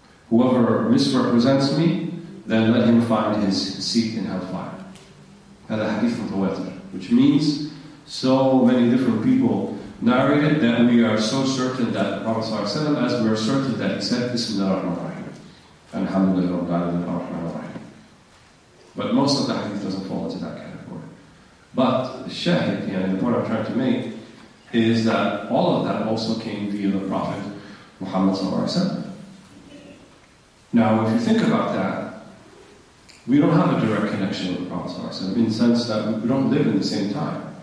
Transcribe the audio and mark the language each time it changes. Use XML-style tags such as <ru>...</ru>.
<en>Whoever misrepresents me, then let him find his seat in hellfire.</en> <ar>هذا حديث من الوتر.</ar> <en>Which means, so many different people narrated that we are so certain that the Prophet صلى الله عليه وسلم, as we are certain that he said,</en> <ar>بسم الله الرحمن الرحيم. الحمد لله رب العالمين الرحمن الرحيم.</ar> <en>But most of the hadith doesn't fall into that category. But الشاهد, يعني the point I'm trying to make, is that all of that also came via the Prophet Muhammad صلى الله عليه وسلم. Now, if you think about that, we don't have a direct connection with the Prophet صلى الله عليه وسلم, in the sense that we don't live in the same time.</en>